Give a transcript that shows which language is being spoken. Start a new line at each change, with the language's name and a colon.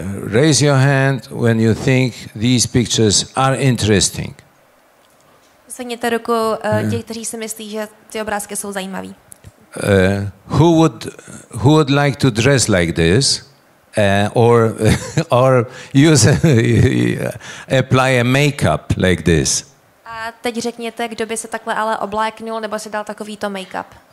English: Raise your hand when you think these pictures are interesting.
Czech: Zvedněte ruku ti, kteří si myslí, že ty obrázky jsou zajímavé.
English: Who would like to dress like this, or use apply a makeup like this?
Czech: A teď řekněte, kdo by se takhle ale obléknul nebo si dal takový to makeup.